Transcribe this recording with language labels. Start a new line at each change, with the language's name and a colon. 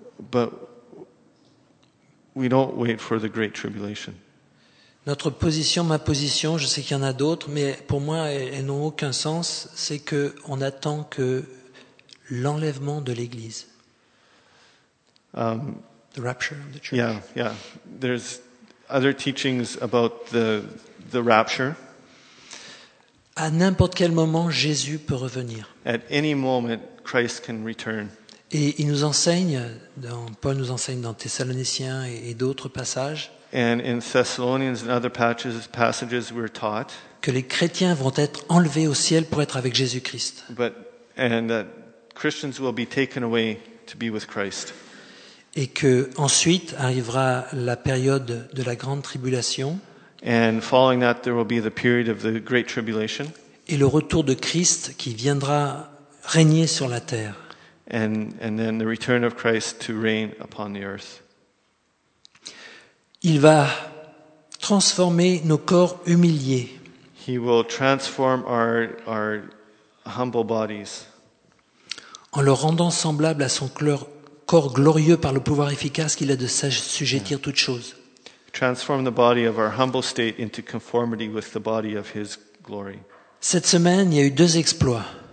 English: But we don't wait for the great tribulation.
French: Notre position, ma position, je sais qu'il y en a d'autres, mais pour moi, elles n'ont aucun sens. C'est que on attend que l'enlèvement de l'Église.
English: The rapture of the church. Yeah. There's other teachings about the rapture.
French: À n'importe quel moment, Jésus peut revenir.
English: At any moment, Christ can return.
French: Et il nous enseigne, Paul nous enseigne dans Thessaloniciens et d'autres passages.
English: And in Thessalonians and other passages we're taught
French: que les chrétiens vont être enlevés au ciel pour être avec Jésus-Christ.
English: But and that Christians will be taken away to be with Christ.
French: Et que ensuite arrivera la période de la grande tribulation.
English: And following that, there will be the period of the great tribulation.
French: Et le retour de Christ qui viendra régner sur la terre.
English: And then the return of Christ to reign upon the earth.
French: Il va transformer nos corps humiliés.
English: He will transform our humble bodies.
French: En le rendant semblable à son corps glorieux par le pouvoir efficace qu'il a de s'assujettir toutes choses.
English: Transform the body of our humble state into conformity with the body of his glory.
French: Cette semaine, il y a eu deux exploits.